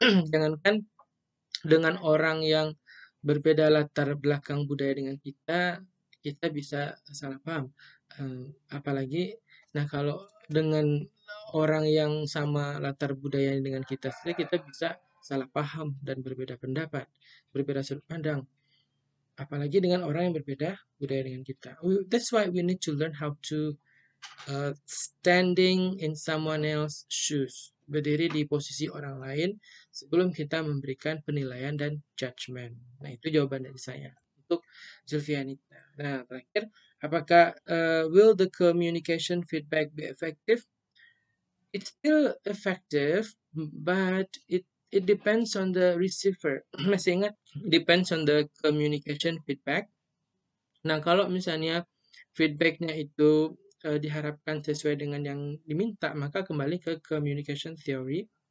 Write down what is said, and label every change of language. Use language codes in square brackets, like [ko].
[id] Jangankan dengan orang yang berbeda latar belakang budaya dengan kita, kita bisa salah paham. Apalagi, nah kalau dengan orang yang sama latar budaya dengan kita sendiri, kita bisa salah paham dan berbeda pendapat, berbeda sudut pandang. Apalagi dengan orang yang berbeda budaya dengan kita. [en] That's why we need to learn how to standing in someone else's shoes. [id] Berdiri di posisi orang lain sebelum kita memberikan penilaian dan judgment. Nah, itu jawaban dari saya untuk Zilvianita. Nah, terakhir, apakah [en] will the communication feedback be effective? It's still effective, but it depends on the receiver. [id] Masih ingat? [en] Depends on the communication feedback. [id] Nah, kalau misalnya feedbacknya itu diharapkan sesuai dengan yang diminta, maka kembali ke communication theory.